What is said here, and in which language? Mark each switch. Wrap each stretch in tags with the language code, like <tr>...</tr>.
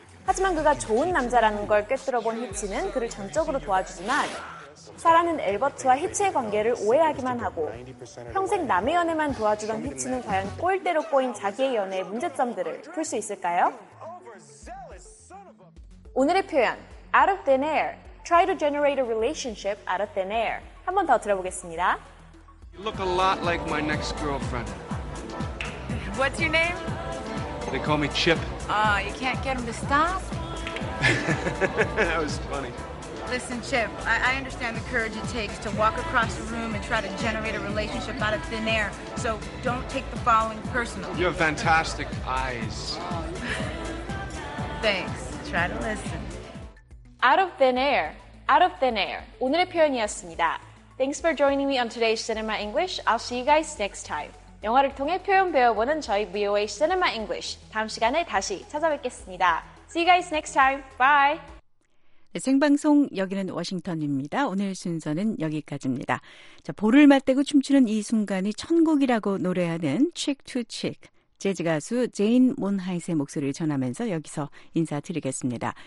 <ko>하지만 그가 좋은 남자라는 걸 꿰뚫어본 히치는 그를 전적으로 도와주지만 사라는 엘버트와 히치의 관계를 오해하기만 하고 평생 남의 연애만 도와주던 히치는 과연 꼴대로 꼬인 자기의 연애의 문제점들을 풀 수 있을까요? 오늘의 표현</ko> <en>Out of thin air</en> <ko>Try to generate a relationship out of thin air 한 번 더 들어보겠습니다.</ko> <en>You look a lot like my next girlfriend. What's your name? They call me Chip. You can't get them to stop? That was funny. Listen, Chip, I understand the courage it takes to walk across a room and try to generate a relationship out of thin air, so don't take the following personally. You have fantastic eyes. Thanks. Try to listen. Out of thin air. Out of thin air.</en> <ko>오늘의 표현이었습니다.</ko> <en>Thanks for joining me on today's Cinema English. I'll see you guys next time.</en> <ko>영화를 통해 표현 배워보는 저희 VOA Cinema English. 다음 시간에 다시 찾아뵙겠습니다.</ko> <en>See you guys next time. Bye.</en> <ko>생방송 여기는 워싱턴입니다. 오늘 순서는 여기까지입니다. 자, 볼을 맞대고 춤추는 이 순간이 천국이라고 노래하는 Cheek to Cheek 재즈 가수 제인 몬하이스의 목소리를 전하면서 여기서 인사드리겠습니다.</ko>